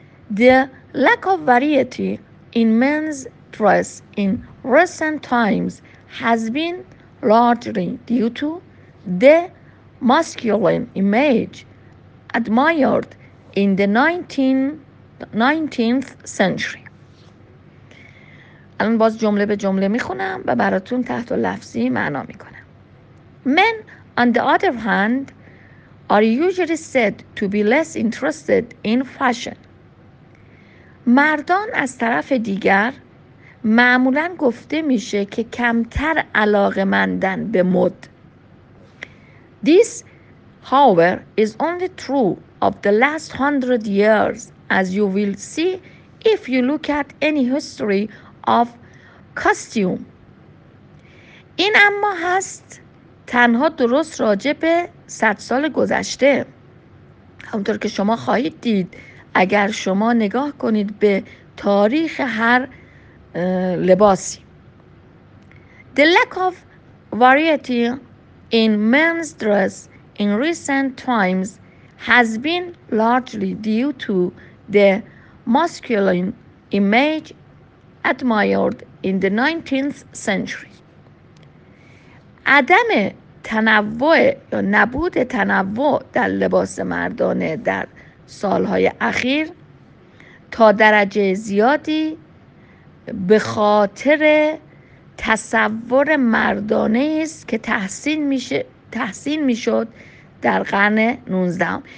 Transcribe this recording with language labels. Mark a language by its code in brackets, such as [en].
[en] The lack of variety in men's dress in recent times has been largely due to the masculine image admired in the 19th century. [fa] الان باز جمله به جمله میخونم و براتون تحت لفظی معنا میکنم. [en] Men, on the other hand, are usually said to be less interested in fashion. [fa] مردان از طرف دیگر معمولا گفته میشه که کمتر علاقه مندن به مد. [en] This, however, is only true of the last 100 years, as you will see if you look at any history of costume. [fa] این اما هست تنها درست راجع به 100 سال گذشته. همونطور که شما خواهید دید اگر شما نگاه کنید به تاریخ هر لباسی. [en] The lack of variety in men's dress in recent times has been largely due to the masculine image admired in the 19th century. [fa] عدم تنوع یا نبود تنوع در لباس مردانه در سالهای اخیر تا درجه زیادی به خاطر تصور مردانه است که تحسین میشد در قرن 19.